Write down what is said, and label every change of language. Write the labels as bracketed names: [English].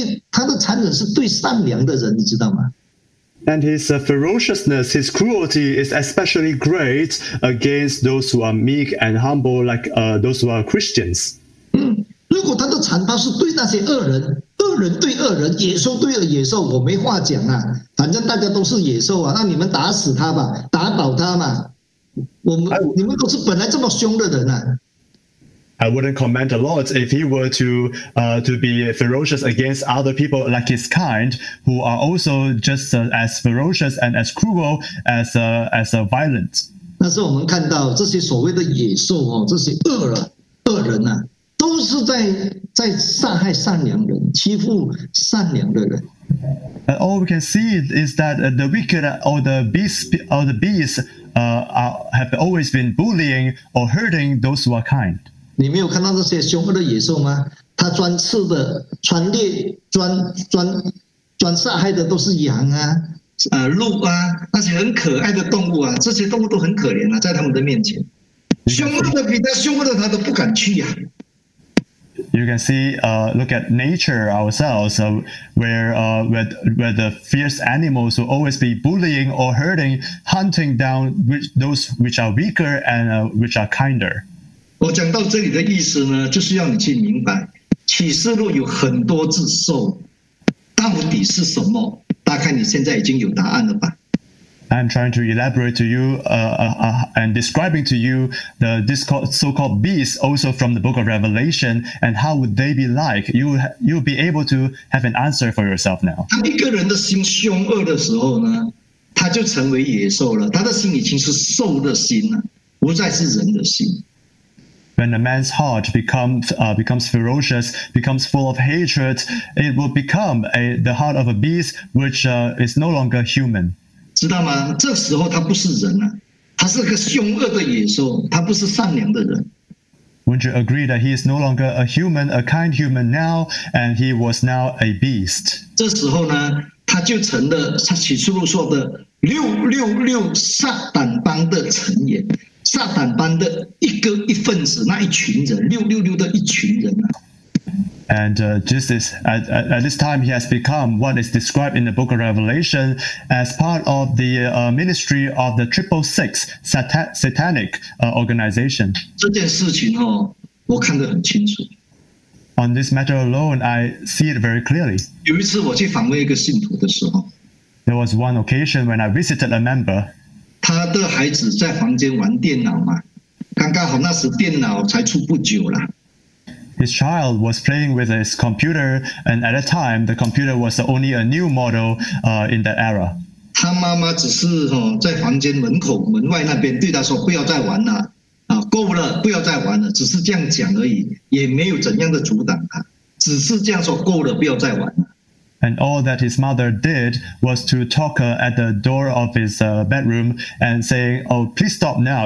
[Chinese] 他的残忍是对善良的人，你知道吗 [English] ？And his ferociousness, his cruelty is especially great against those who are meek and humble, like those who are Christians. [Chinese] 如果他的残暴是对那些恶人。恶人对恶人，野兽对了野兽，我没话讲啊。反正大家都是野兽啊，那你们打死他吧，打倒他嘛。你们都是本来这么凶的人啊。 [English] I wouldn't comment a lot if he were to be ferocious against other people like his kind, who are also just as ferocious and as cruel as violent. [Chinese] 但是我们看到这些所谓的野兽哦，这些恶人啊。都是在杀害善良人，欺负善良的人。 [English] And all we can see is that the wicked or the beasts, have always been bullying or hurting those who are kind. [Chinese] 你没有看到这些凶恶的野兽吗？他专吃的、专猎、专杀害的都是羊啊、鹿啊，那些很可爱的动物啊，这些动物都很可怜啊，在他们的面前，凶恶的比他凶恶的他都不敢去呀、啊。 [English] You can see, look at nature ourselves, where the fierce animals will always be bullying or hurting, hunting down those which are weaker and which are kinder. [Chinese] 我讲到这里的意思呢，就是要你去明白，启示录有很多字兽，到底是什么？大概你现在已经有答案了吧。 [English] I'm trying to elaborate to you and describing to you the so-called beasts also from the book of Revelation and how would they be like. You'll be able to have an answer for yourself now. [Chinese] 他一个人的心凶恶的时候呢，他就成为野兽了。他的心已经是兽的心了，不再是人的心。 [English] When a man's heart becomes ferocious, becomes full of hatred, it will become the heart of a beast which is no longer human. [Chinese] 知道吗？这时候他不是人了，他是个凶恶的野兽，他不是善良的人。 [English] Wouldn't you agree that he is no longer a human, a kind human now, and he was now a beast? [Chinese] 这时候呢，他就成了他启示录说的666撒旦帮的成员，撒旦帮的一份子，那一群人，666的一群人啊。 [English] And Jesus, at this time, he has become what is described in the book of Revelation as part of the ministry of the 666 satanic organization. [Chinese] 这件事情哦，我看得很清楚。 [English] On this matter alone, I see it very clearly. [Chinese] 有一次我去访问一个信徒的时候， [English] there was one occasion when I visited a member. [Chinese] 他的孩子在房间玩电脑嘛，刚刚好那时电脑才出不久啦。 [English] His child was playing with his computer, and at the time, the computer was only a new model in that era. [Chinese] 他妈妈只是在房间门口门外那边对他说：“不要再玩了，够了，不要再玩了。” 只是这样讲而已，也没有怎样的阻挡他，只是这样说：“够了，不要再玩了。” [English] And all that his mother did was to talk at the door of his bedroom and say, "Oh, please stop now.